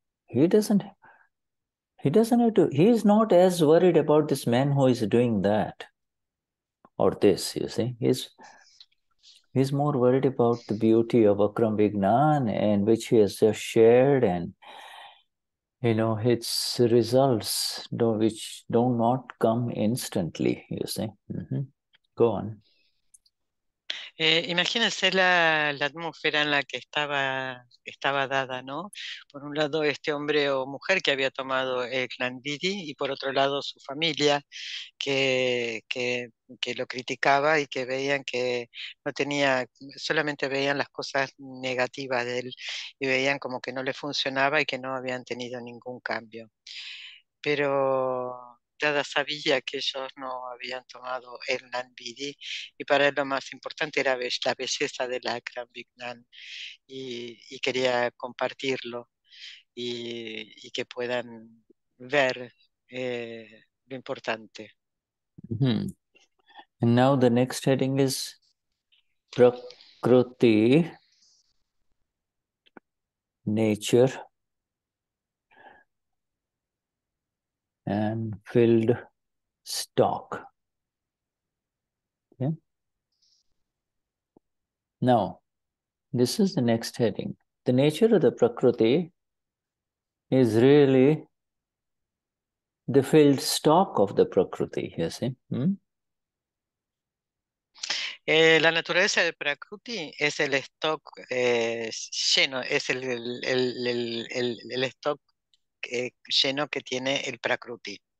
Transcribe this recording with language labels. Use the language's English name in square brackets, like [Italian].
[English] He doesn't have to, he is not as worried about this man who is doing that or this, you see. He's more worried about the beauty of Akram Vignan, and which he has just shared, and you know, its results, which do not come instantly, you see. Go on. [Spanish] Imagínense la atmósfera en la que estaba Dada, ¿no? Por un lado, este hombre o mujer que había tomado el Gnan Vidhi, y por otro lado, su familia, que lo criticaba y que veían que no tenía, solamente veían las cosas negativas de él y veían como que no le funcionaba y que no habían tenido ningún cambio. Pero Dada sabía que ellos no habían tomado el Gnan Vidhi, y para él lo más importante era la belleza del Akram Vignan, y quería compartirlo y que puedan ver lo importante. [English] And now the next heading is prakruti, nature, and filled stock. Okay. Now, this is the next heading. The nature of the prakruti is really the filled stock of the prakruti, you see. [Spanish] La naturaleza del prakruti es el stock lleno, es el stock lleno que tiene el prakruti.